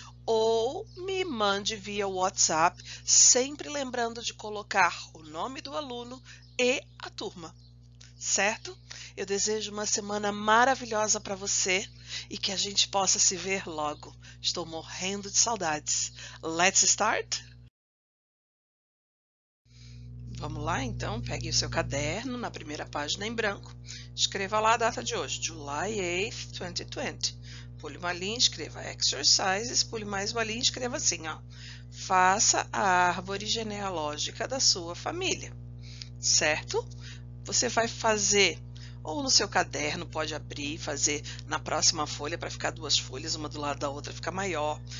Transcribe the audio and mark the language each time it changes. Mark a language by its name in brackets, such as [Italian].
[Portuguese] Ou me mande via WhatsApp, sempre lembrando de colocar o nome do aluno e a turma. Certo? Eu desejo uma semana maravilhosa para você e que a gente possa se ver logo. Estou morrendo de saudades. [English] Let's start! [Portuguese] Vamos lá então, pegue o seu caderno na primeira página em branco. Escreva lá a data de hoje, [English] July 8th, 2020. [Portuguese] Pule uma linha, escreva exercises, pule mais uma linha e escreva assim, ó. Faça a árvore genealógica da sua família, certo? Você vai fazer, ou no seu caderno, pode abrir e fazer na próxima folha para ficar duas folhas, uma do lado da outra fica maior.